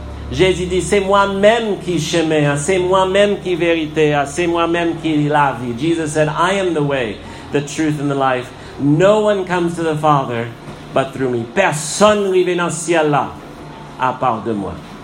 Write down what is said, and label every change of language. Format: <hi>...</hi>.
<ht>Jésus dit, c'est moi-même qui chemin, c'est moi-même qui vérité, c'est moi-même qui la vie.</ht> <en>Jesus said, I am the way, the truth, and the life. No one comes to the Father but through me.</en> <ht>Personne n'arrive dans le ciel là, à part de moi.</ht>